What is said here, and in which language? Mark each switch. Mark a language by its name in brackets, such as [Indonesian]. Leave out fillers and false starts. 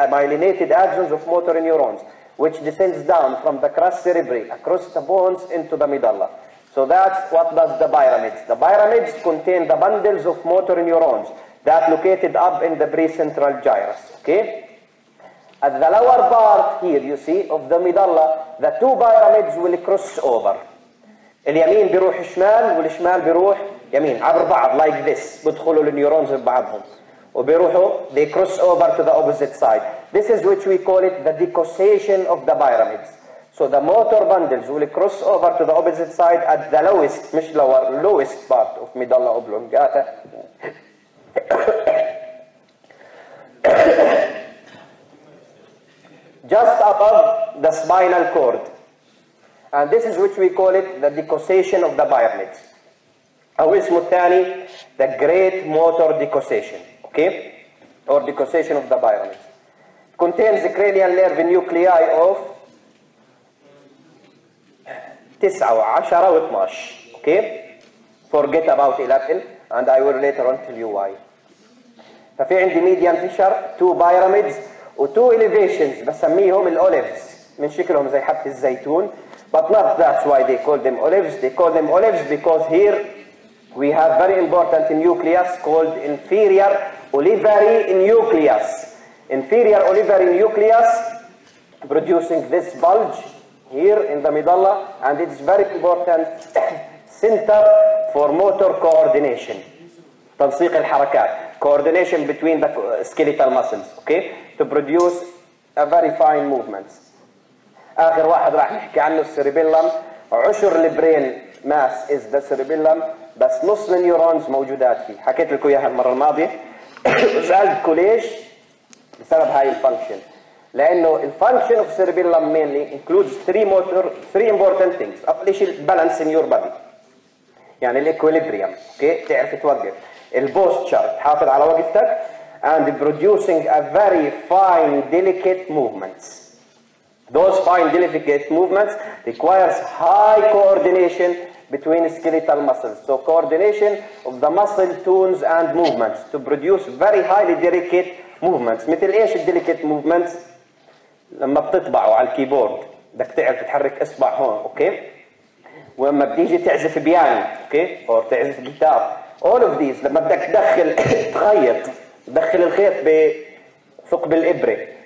[English] Myelinated axons of motor neurons, which descends down from the crus cerebri across the bones into the medulla. So that's what does the pyramids. The pyramids contain the bundles of motor neurons that located up in the precentral gyrus. Okay? At the lower part here, you see, of the medulla, the two pyramids will cross over. [Arabic] اليمين بيروح شمال والشمال بيروح يمين عبر بعض [English] like this. [Arabic] بدخلوا النيورونز ببعضهم وبيروحوا, [English] they cross over to the opposite side. This is which we call it the decussation of the pyramids. So the motor bundles will cross over to the opposite side at the lowest, [Arabic] مش [English] lower, lowest part of medulla oblongata. Just above the spinal cord. And this is which we call it the decussation of the pyramids. How is Muthani? The great motor decussation. Okay? Or decussation of the pyramids. Contains the cranial nerve nuclei of 9, 10, 12. Okay? Forget about 11. and I will later on tell you why. [Arabic] ففي عندي ميديان فيشر [English] two pyramids [Arabic] وtwo elevations بسميهم الأوليفز من شكلهم زي حبة الزيتون. [English] But not that's why they call them olives. They call them olives because here we have very important nucleus called inferior olivary nucleus. Inferior olivary nucleus producing this bulge here in the medulla, and it's very important center for motor coordination. [Arabic] تنسيق الحركات. [English] Coordination between the skeletal muscles, okay? To produce a very fine movements. [Arabic] آخر واحد راح نحكي عنه السيريبيلم. عشر البرين ماس [English] is the cerebellum, [Arabic] بس نص النيورونز موجودات فيه. حكيت لكم اياها المرة الماضية. سألتكم ليش؟ بسبب هاي الفانكشن. لأنه [English] الفانكشن of cerebellum mainly includes three important things. [Arabic] أول شيء البالانس [English] in your body. [Arabic] يعني الإكوليبريم. اوكي؟ تعرف توقف. البوستشر تحافظ على وقفتك. [English] And producing a very fine delicate movements. Those fine delicate movements requires high coordination between skeletal muscles. So coordination of the muscle tones and movements to produce very highly delicate movements. [Arabic] مثل إيش [English] delicate movements؟ [Arabic] لما بتطبعوا على الكيبورد بدك تعرف تحرك إصبع هون، أوكي؟ ولما بتيجي تعزف بيانو، أوكي؟ أو تعزف جيتار. [English] All of these [Arabic] لما بدك تدخل تخيط تدخل الخيط بثقب الإبرة.